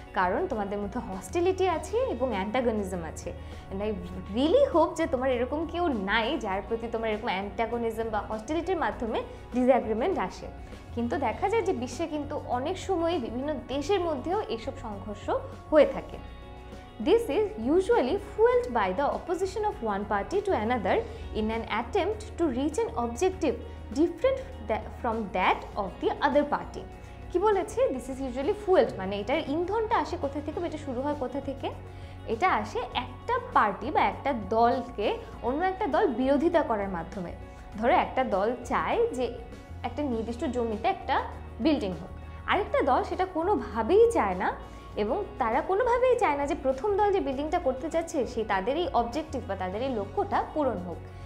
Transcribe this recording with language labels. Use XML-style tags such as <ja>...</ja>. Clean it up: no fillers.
<bn>কারণ তোমাদের মধ্যে হস্টিলিটি আছে এবং অ্যান্টাগনিজম আছে।</bn> <en>and I really hope</en> <bn>যে তোমার এরকম কেউ নাই যার প্রতি তোমার এরকম অ্যান্টাগনিজম বা হস্টিলিটির মাধ্যমে ডিসঅ্যাগ্রিমেন্ট আসে। কিন্তু দেখা যায় যে বিশ্বে কিন্তু অনেক সময়ই বিভিন্ন দেশের মধ্যেও এসব সংঘর্ষ হয়ে থাকে।</bn> <en>This is usually fueled by the opposition of one party to another in an attempt to reach an objective different from that of the other party.</en> <bn>কি বলেছে?</bn> <en>This is usually fueled,</en> <bn>মানে এটার ইন্ধনটা আসে কোথা থেকে, এটা শুরু হয় কোথা থেকে? এটা আসে একটা পার্টি বা একটা দলকে অন্য একটা দল বিরোধিতা করার মাধ্যমে। ধরো একটা দল চায় যে একটা নির্দিষ্ট জমিতে একটা বিল্ডিং হোক, আরেকটা দল সেটা কোনোভাবেই চায় না, এবং তারা কোনোভাবেই চায় না যে প্রথম দল যে বিল্ডিংটা করতে যাচ্ছে সেই তাদের এই অবজেক্টিভ বা তাদের এই লক্ষ্যটা পূরণ হোক।</bn>